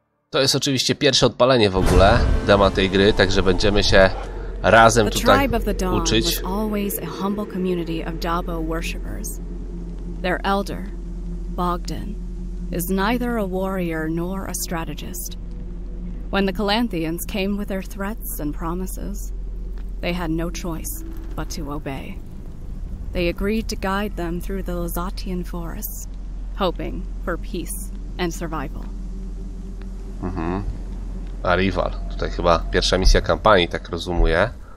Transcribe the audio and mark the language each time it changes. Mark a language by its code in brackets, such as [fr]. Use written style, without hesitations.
[pl] To jest oczywiście pierwsze odpalenie w ogóle dema tej gry, także będziemy się razem tutaj uczyć. [en] The Tribe of the Dawn was always a humble community of Dabo worshippers. Their elder, Bogdan, is neither a warrior nor a strategist. When the Calantheans came with their threats and promises, they had no choice but to obey. They agreed to guide them through the Lazatian forests, hoping for peace and survival. Arrival. [pl] Tutaj chyba pierwsza misja kampanii, tak rozumuję.